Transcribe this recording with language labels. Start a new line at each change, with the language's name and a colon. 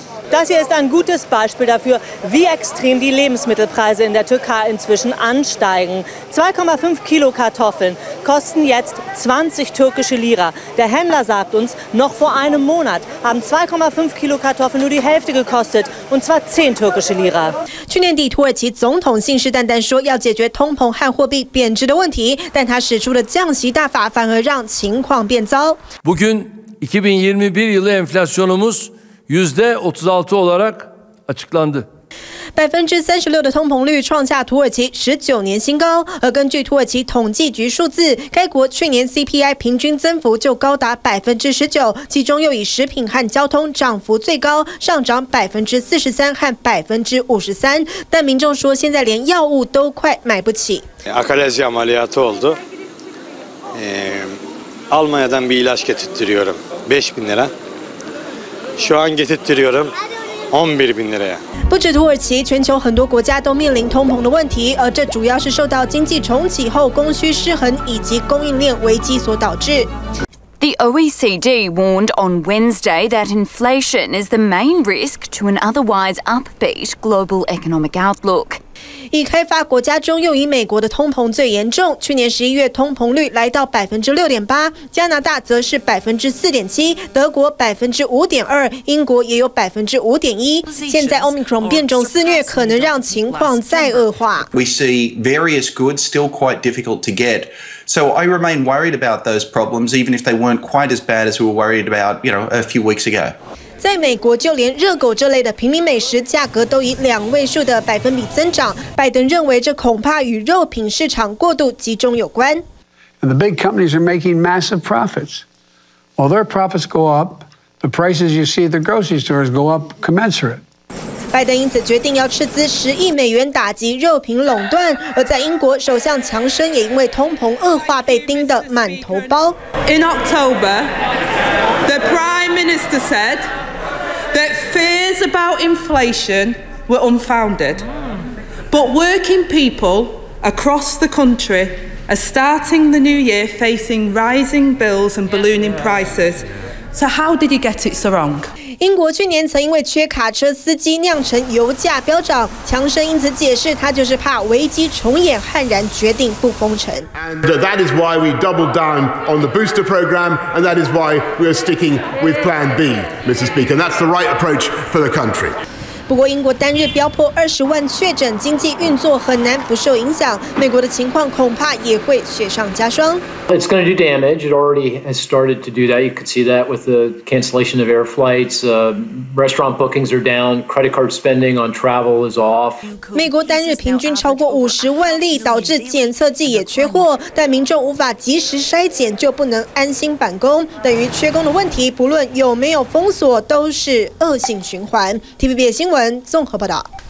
German: Das hier ist ein gutes Beispiel dafür, wie extrem die Lebensmittelpreise in der Türkei inzwischen ansteigen. 2,5 Kilo Kartoffeln kosten jetzt 20 türkische Lira. Der Händler sagt uns, noch vor einem Monat haben 2,5 Kilo Kartoffeln nur die Hälfte gekostet, und zwar 10 türkische Lira.
Chinese: 去年底，土耳其总统信誓旦旦说要解决通膨和货币贬值的问题，但他使出的降息大法反而让情况变糟。
Turkish: Bugün 2021 yılı enflasyonumuz %36 olarak açıklandı.
Chinese: 36%的通膨率创下土耳其19年新高。而根据土耳其统计局数字，该国去年 CPI 平均增幅就高达19%，其中又以食品和交通涨幅最高，上涨43%和53%。但民众说，现在连药物都快买不起。
Turkish: Akalesi ameliyatı oldu. Almanya'dan bir ilaç getirtiyorum. 5000 lira. Şu an getirtiyorum. 11000 liraya.
Chinese: 不止土耳其，全球很多国家都面临通膨的问题，而这主要是受到经济重启后供需失衡以及供应链危机所导致。
English: The OECD warned on Wednesday that inflation is the main risk to an otherwise upbeat global economic outlook.
Chinese: 已开发国家中又以美国的通膨最严重，去年十一月通膨率来到6.8%，加拿大则是4.7%，德国5.2%，英国也有5.1%。现在 Omicron 变种肆虐，可能让情况再恶化。
English: We see various goods still quite difficult to get, so I remain worried about those problems, even if they weren't quite as bad as we were worried about, you know, a few weeks ago.
Chinese: 在美国，就连热狗这类的平民美食价格都以2位数的百分比增长。拜登认为，这恐怕与肉品市场过度集中有关。
English: The big companies are making massive profits. While their profits go up, the prices you see at the grocery stores go up commensurate.
Chinese: 拜登因此决定要斥资$10亿打击肉品垄断，而在英国，首相强生也因为通膨恶化被盯得满头包。
English: In October, the Prime Minister said that fears about inflation were unfounded, but working people across the country are starting the new year facing rising bills and ballooning prices. So how did he get it so wrong?
Chinese: 英国去年曾因为缺卡车司机酿成油价飙涨，强生因此解释，他就是怕危机重演，悍然决定不封城。
English: And that is why we doubled down on the booster program, and that is why we are sticking with Plan B, Mr. Speaker. That's the right approach for the country.
Chinese: 不过英国单日飙破20万确诊，经济运作很难不受影响，美国的情况恐怕也会雪上加霜。
English: It's going to do damage. It already has started to do that. You could see that with the cancellation of air flights. Restaurant bookings are down. Credit card spending on travel is off.
Chinese: 美国单日平均超过50万例，导致检测剂也缺货，但民众无法及时筛检，就不能安心返工，等于缺工的问题，不论有没有封锁，都是恶性循环。TVB 新闻综合报道。